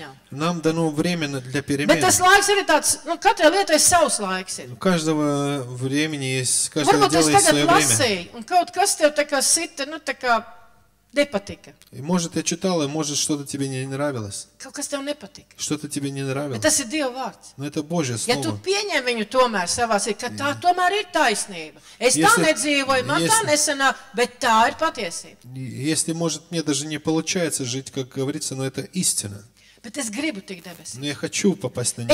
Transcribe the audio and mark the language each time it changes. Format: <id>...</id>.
<ru>Нам дано время для перемен. У каждого времени есть, каждого дела есть свое время.</ru> <lv>Nepatika.</lv> <ru>Может, я читал, и может, что-то тебе не нравилось.</ru> <lv>Kaut kas tev nepatika.</lv> <ru>Что-то тебе не нравилось.</ru> <lv>Bet tas ir Dieva vārds.</lv> <ru>Но это Божье слово.</ru> <lv>Ja tu pieņem viņu tomēr savā sirdī, ka tā tomēr ir taisnība. Es tā nedzīvoju, man tā nesanā, bet tā ir patiesība.</lv> <ru>Если, может, мне даже не получается жить, как говорится, но это истина.</ru> <lv>Bet es gribu tik debesīs.</lv> <ru>Но я хочу попасть на небо.</ru>